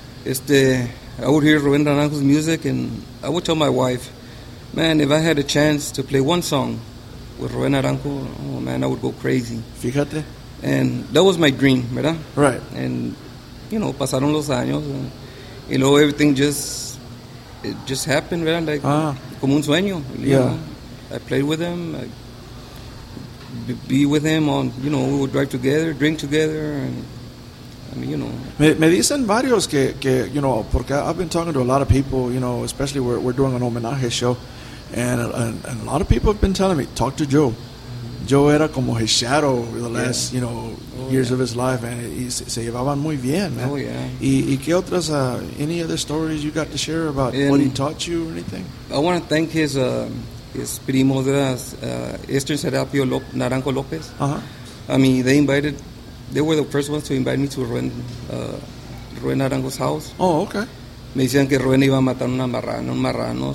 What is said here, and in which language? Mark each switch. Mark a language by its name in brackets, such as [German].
[English] I would hear Rubén Naranjo's music, and I would tell my wife, man, if I had a chance to play one song with Rubén Naranjo, oh, man, I would go crazy. [Spanish] Fíjate. [English] And that was my dream, ¿verdad? Right. And, you know, [Spanish] pasaron los años, [English] and, you know, everything just happened, ¿verdad? [Spanish] Like, como un sueño. [English] Yeah. I played with him, I'd be with him on, you know, we would drive together, drink together, and... I mean, you know. [Spanish] Me dicen varios que, [English] you know, porque I've been talking to a lot of people, you know, especially we're doing an homenaje show, and a lot of people have been telling me, talk to Joe. Mm-hmm. Joe [Spanish] era como [English] his shadow the last, you know, years of his life, and he [Spanish] se llevaban muy bien, [English] man. Oh, yeah. [Spanish] ¿Y qué otras, [English] any other stories you got to share about and what he taught you or anything? I want to thank his primo, Esther Serapio Naranjo López. Uh-huh. I mean, they were the first ones to invite me to Rubén Arango's house. Oh, okay. [Spanish] Me decían que Rubén iba a matar un marrano.